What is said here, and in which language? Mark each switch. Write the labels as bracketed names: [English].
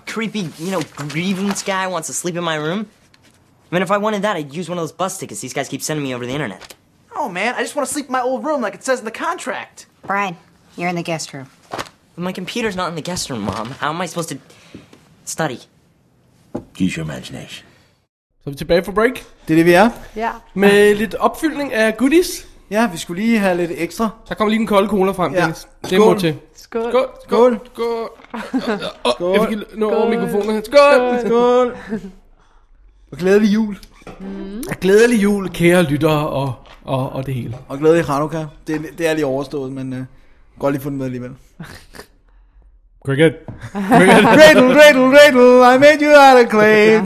[English] Creepy, you know, grievance guy wants to sleep in my room? I mean, if I wanted that, I'd use one of those bus tickets these guys keep sending me over the internet. Oh, man. I just want to sleep in my old room like it says in the contract. Brian. You're in the guest room. My computer's not in the guest room, Mom. How am I supposed to study? Use your imagination. [Danish] Så er vi tilbage for break. Det er det, vi er. Ja. Med lidt opfyldning af goodies. Ja, vi skulle lige have lidt ekstra. Så kommer lige den kolde cola frem, ja. Dennis. Det skål. Må til. Skål. Skål. Skål. Skål. Jeg fik nå over mikrofonen. Skål. Skål. Og glædelig jul. Mm. Glædelig jul, kære lyttere og det hele. Og glædelig Hanukkah. Det er lige overstået, men... Godt lige fundet med alligevel. [English] Cricket. Dreidel, dreidel, dreidel, I made you out of clay.